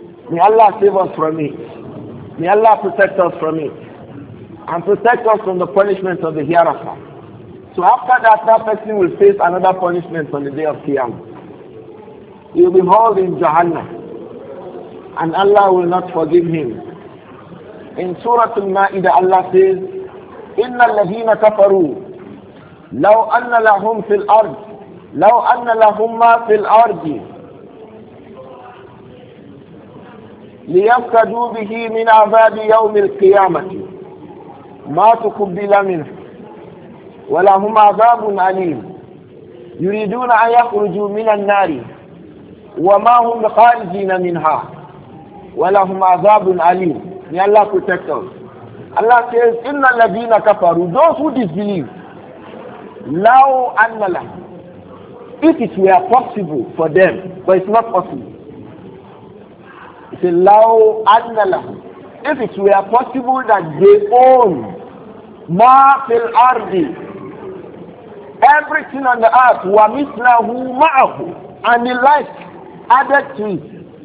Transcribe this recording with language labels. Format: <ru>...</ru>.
<en>May Allah save us from it. May Allah protect us from it. And protect us from the punishment of the hereafter. So after that, that person will face another punishment on the day of Qiyam. He will be held in Jahannam. And Allah will not forgive him. In Surah Al-Ma'idah, Allah says,</en> <ar>إِنَّ الَّذِينَ كَفَرُوا لَوْ أَنَّ لَهُمْ فِي الْأَرْضِ لَوْ أَنَّ لَهُمْ مَا فِي الْأَرْضِ لِيَفْكَدُوا بِهِ مِنْ عَذَابِ يَوْمِ الْقِيَامَةِ مَا تُقُبِّلَ مِنْهُ وَلَهُمْ عَذَابٌ أَلِيمٌ يُرِيدُونَ أَنْ يَخْرُجُوا مِنَ النَّارِ وَمَا هُمْ بِخَارِجِينَ مِنْهَا وَلَهُمْ عَذَابٌ أَلِيمٌ</ar> <en>May Allah protect us. Allah says,</en> <ar>إِنَّ الَّذِينَ كَفَرُوا</ar> <en>Those who disbelieve,</en> <ar>لَوْ أَنَّ لَهُمْ</ar> <en>If it were possible for them, but it's not possible. He said,</en> <ar>لَوْ أَنَّ لَهُمْ</ar> <en>If it were possible that they own</en> <ar>مَا فِي الْأَرْضِ</ar> <en>Everything on the earth,</en> <ar>وَمِثْلَهُ مَعَهُ</ar> <en>And the like added to it.</en>